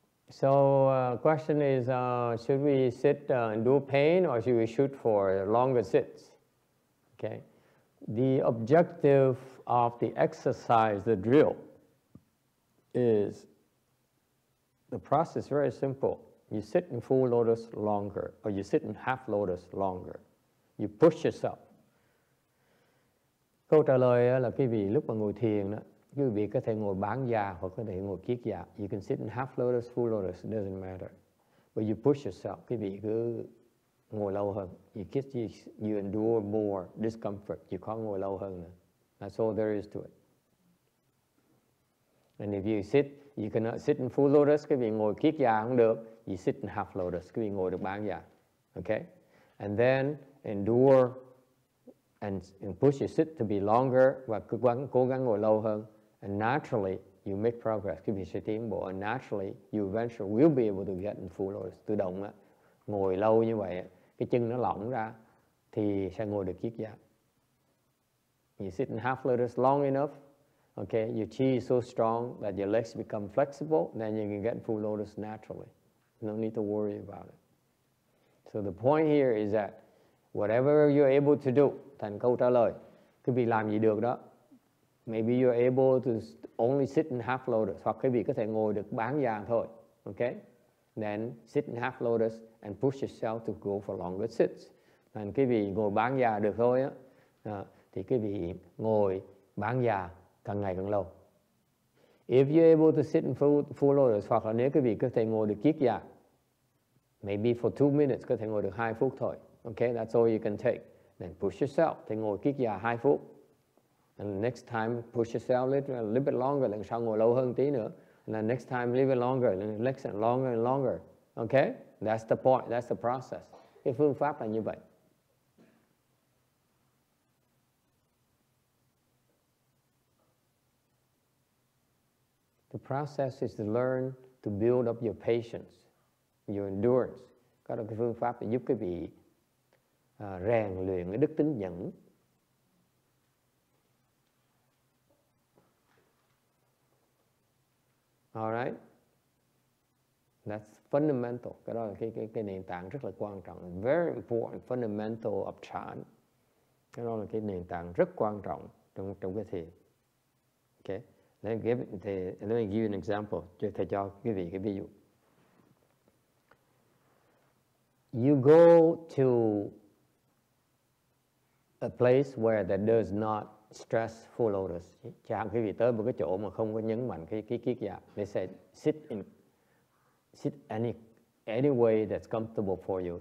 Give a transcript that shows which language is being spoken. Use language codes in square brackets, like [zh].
[en] So question is, should we sit and do pain or should we shoot for longer sits? Okay. The objective of the exercise, the drill, is the process is very simple. You sit in full lotus longer or you sit in half lotus longer. You push yourself. [vi] Câu trả lời là quý vị lúc mà ngồi thiền đó, quý vị có thể ngồi bán già hoặc có thể ngồi kiết già. [en] You can sit in half lotus, full lotus, doesn't matter. But you push yourself, [vi] quý vị cứ ngồi lâu hơn. [en] You endure more discomfort, you can't [vi] ngồi lâu hơn nữa. [en] That's all there is to it. And if you cannot sit in full lotus, [vi] quý vị ngồi kiết già không được. [en] You sit in half lotus, [vi] quý vị ngồi được bán già. [en] Okay? And then endure and push your sit to be longer [vi] và cố gắng ngồi lâu hơn. [en] And naturally, you make progress. [vi] Quý vị sẽ tiến bộ. [en] And naturally, you eventually will be able to get in full lotus. [vi] Tự động, ngồi lâu như vậy, cái chân nó lỏng ra thì sẽ ngồi được kiết giác. [en] You sit in half lotus long enough, okay, your chi is so strong that your legs become flexible, then you can get full lotus naturally. No need to worry about it. So the point here is that whatever you're able to do, [vi] thành câu trả lời, quý vị làm gì được đó. [en] Maybe you're able to only sit in half lotus, [vi] hoặc quý vị có thể ngồi được bán vàng thôi, [en] okay? Then sit in half lotus and push yourself to go for longer sits. [vi] Thành quý vị ngồi bán già được thôi á, thì quý vị ngồi bán già càng ngày càng lâu. [en] If you're able to sit in full lotus, [vi] hoặc là nếu quý vị có thể ngồi được kiết già, [en] maybe for 2 minutes, [vi] có thể ngồi được 2 phút thôi. [en] Okay, that's all you can take. Then push yourself, [vi] thì ngồi kiết già 2 phút. [en] And next time, push yourself a little bit longer, [vi] lần sau ngồi lâu hơn tí nữa. [en] And then next time, a little bit longer, next time, longer and longer. Okay, that's the point, that's the process. [vi] Cái phương pháp là như vậy. [en] The process is to learn to build up your patience, your endurance. [vi] Có được cái phương pháp để giúp quý vị rèn luyện cái đức tính nhẫn. [en] All right. That's fundamental. [vi] Cái đó là cái nền tảng rất là quan trọng. [en] Very important fundamental of chan. [vi] Cái đó là cái nền tảng rất quan trọng trong cái thiền. Okay. [en] Let me give you an example. [vi] Cho thầy cho quý vị cái ví dụ. [en] You go to a place where that does not stress full lotus. [vi] Chẳng quý vị tới một cái chỗ mà không có nhấn mạnh cái kiết dạ. [en] They say sit any way that's comfortable for you.